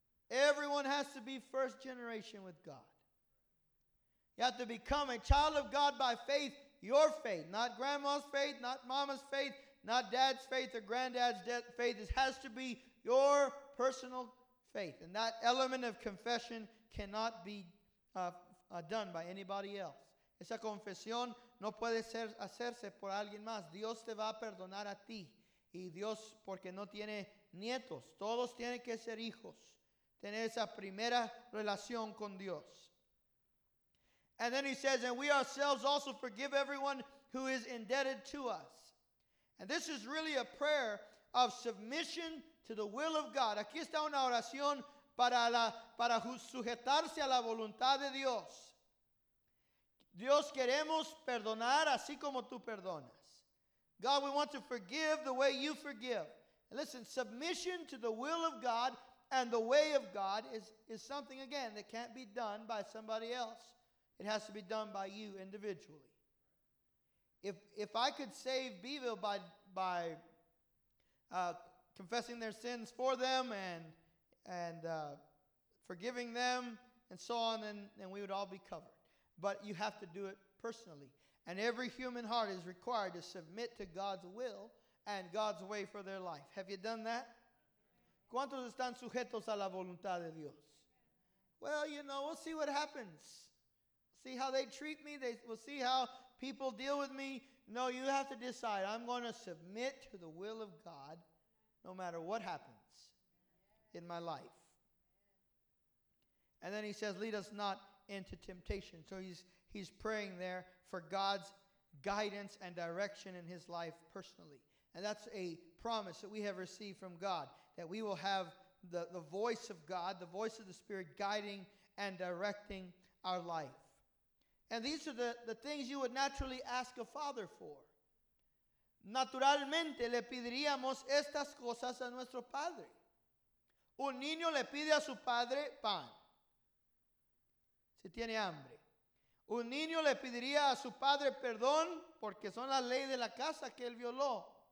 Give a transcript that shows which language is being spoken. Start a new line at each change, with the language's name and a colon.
English: Everyone has to be first generation with God. You have to become a child of God by faith, your faith, not grandma's faith, not mama's faith, not dad's faith or granddad's faith. It has to be your personal faith. And that element of confession cannot be done by anybody else.
Spanish: Esa confesión no puede ser hacerse por alguien más. Dios te va a perdonar a ti. Y Dios, porque no tiene nietos. Todos tienen que ser hijos. Tener esa primera relación con Dios.
English: And then he says, and we ourselves also forgive everyone who is indebted to us. And this is really a prayer of submission to the will of God.
Spanish: Aquí está una oración para sujetarse a la voluntad de Dios. Dios, queremos perdonar así como tú perdonas.
English: God, we want to forgive the way you forgive. And listen, submission to the will of God and the way of God is something, again, that can't be done by somebody else. It has to be done by you individually. If I could save Beville by confessing their sins for them and forgiving them and so on, then we would all be covered. But you have to do it personally. And every human heart is required to submit to God's will and God's way for their life. Have you done that?
Spanish: ¿Cuántos están sujetos a la voluntad de Dios?
English: Well, you know, we'll see what happens. See how they treat me. We'll see how people deal with me. No, you have to decide. I'm going to submit to the will of God no matter what happens in my life. And then he says, lead us not into temptation. So he's praying there for God's guidance and direction in his life personally. And that's a promise that we have received from God, that we will have the voice of God, the voice of the Spirit, guiding and directing our life. And these are the things you would naturally ask a father for.
Spanish: Naturalmente le pediríamos estas cosas a nuestro padre. Un niño le pide a su padre pan. Si tiene hambre. Un niño le pediría a su padre perdón porque son las leyes de la casa que él violó.